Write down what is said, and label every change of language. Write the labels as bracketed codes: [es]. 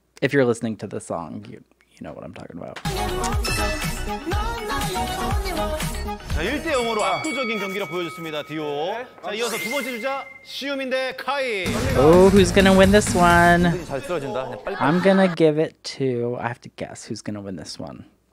[en] If you're listening to the song, you know what I'm talking about. [ko] 자, 1대 0으로 압도적인 경기력 보여줬습니다, 디오. 자, 이어서 두 번째 주자, 시우민대 카이. [en] Oh, who's gonna win this one? [ko] 잘 쓰러진다. [en] I'm gonna give it to, I have to guess who's gonna win this one.